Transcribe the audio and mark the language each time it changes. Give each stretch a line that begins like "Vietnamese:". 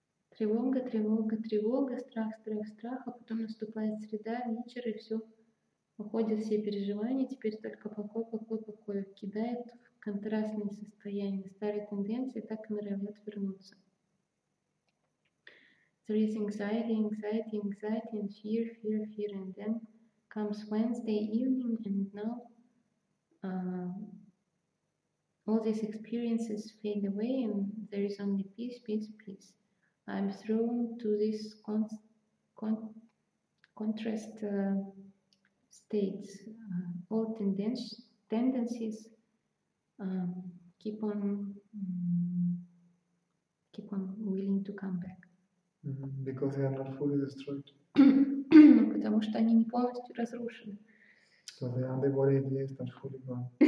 Russian: Тревога, тревога, тревога, страх, страх, страх, а потом наступает среда, вечер, и все. Уходят все переживания, теперь только покой, покой, покой. Кидает в контрастные состояния, старые тенденции, так и норовят вернуться.
English: There is anxiety, anxiety, anxiety, and fear, fear, fear, and then comes Wednesday evening, and now all these experiences fade away, and there is only peace, peace, peace. I'm thrown to this contrast states. All tendencies keep on willing to come back. Because they are not fully destroyed.
Russian: Потому что они не полностью разрушены.
English: So the underbody idea is not fully gone.